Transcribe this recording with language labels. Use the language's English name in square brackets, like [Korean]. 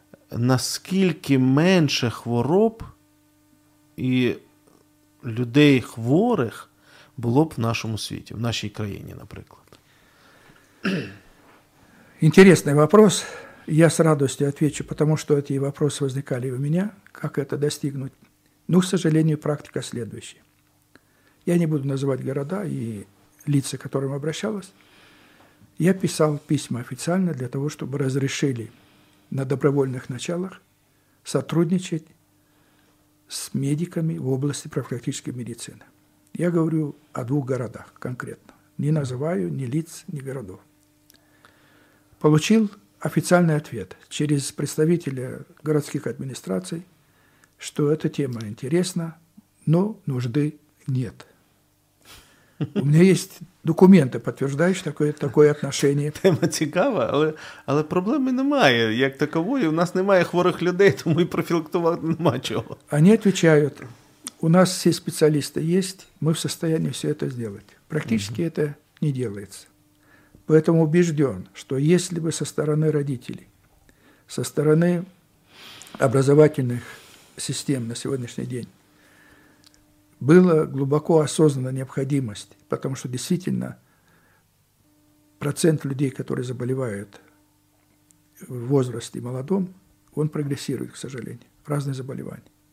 [Ukrainian] Наскільки менше хвороб і людей хворих було б в нашому світі, в нашій країні, наприклад. Інтересний вопрос. Я з радостю відвечу, тому що ці вопроси виникали у мене, як це достигнути. [Russian] Ну, к сожалению, практика следующая. Я не буду називати города і лица, к которым обращалась. Я писал письма официально для того, чтобы разрешили на добровольных началах сотрудничать с медиками в области профилактической медицины. Я говорю о двух городах конкретно. Не называю ни лиц, ни городов. Получил официальный ответ через представителя городских администраций, что эта тема интересна, но нужды нет. [Ukrainian] У мене є документи, підтверджують таке отношення. Тема цікава, але проблеми немає. Як такової, у нас немає хворих людей, тому і профілактувати нема чого. Вони відповідають, у нас всі спеціалісти є, ми [Russian] в состоянии все это сделать. Практически это не делается. Поэтому убежден, что если бы со стороны родителей, со стороны образовательных систем на сегодняшний день была глубоко осознана необходимость, потому что действительно процент людей, которые заболевают в возрасте молодом, он прогрессирует, к сожалению, разные заболевания.